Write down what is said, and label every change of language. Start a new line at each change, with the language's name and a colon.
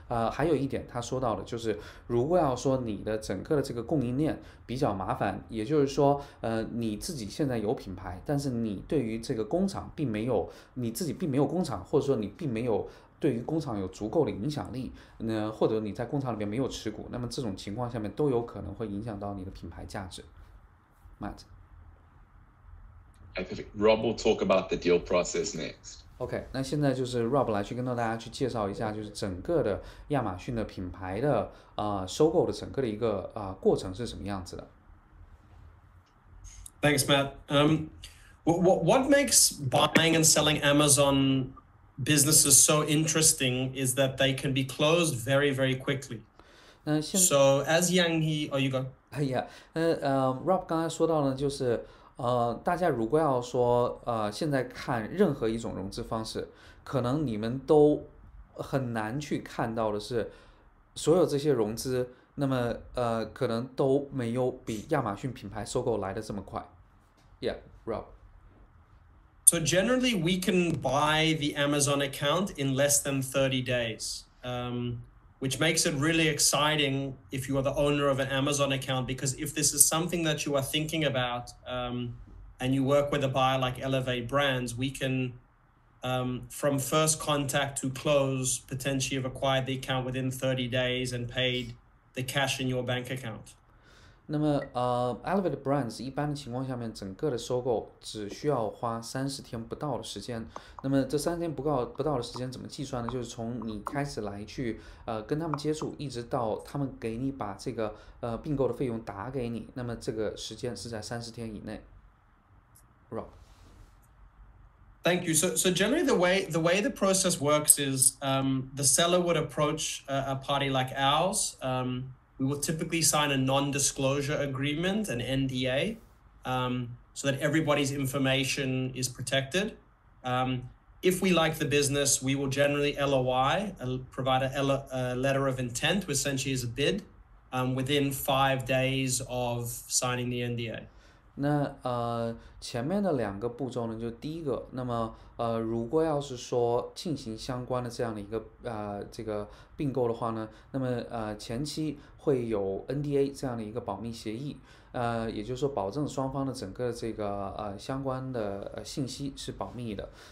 Chinese: 还有一点他说到的就是如果要说你的整个的这个供应链比较麻烦，也就是说你自己现在有品牌，但是你对于这个工厂并没有，你自己并没有工厂，或者说你并没有对于工厂有足够的影响力，或者你在工厂里面没有持股，那么这种情况下面都有可能会影响到你的品牌价值。
English: Matt Rob will talk about the deal process next.
Chinese: OK, 那现在就是 Rob 来去跟大家去介绍一下就是整个的亚马逊的品牌的收购的整个的一个过程是什么样子的。
English: Thanks, Matt. What makes buying and selling Amazon businesses so interesting is that they can be closed very, very quickly. So as Yang He, oh, you go.
Chinese: Rob 刚才说到呢就是大家如果要说现在看任何一种融资方式，可能你们都很难去看到的是所有这些融资，那么可能都没有比亚马逊品牌收购来的这么快。
English: Yeah, Rob. So generally we can buy the Amazon account in less than 30 days, which makes it really exciting if you are the owner of an Amazon account, because if this is something that you are thinking about and you work with a buyer like Elevate Brands, we can, from first contact to close, potentially have acquired the account within 30 days and paid the cash in your bank account.
Chinese: 那么Elevate Brands 一般的情况下面整个的收购只需要花30天不到的时间。那么这30天不到的时间怎么计算呢？就是从你开始来去跟他们接触，一直到他们给你把这个并购的费用打给你，那么这个时间是在30天以内。
English: Rob. Thank you. So generally the way the process works is the seller would approach a party like ours. We will typically sign a non-disclosure agreement, an NDA, so that everybody's information is protected. If we like the business, we will generally LOI, provide a letter of intent, which essentially is a bid, within 5 days of signing the NDA.
Chinese: 那前面的两个步骤呢，就第一个，那么如果要是说进行相关的这样的一个这个并购的话呢，那么前期会有 NDA 这样的一个保密协议，也就是说保证双方的整个这个相关的信息是保密的。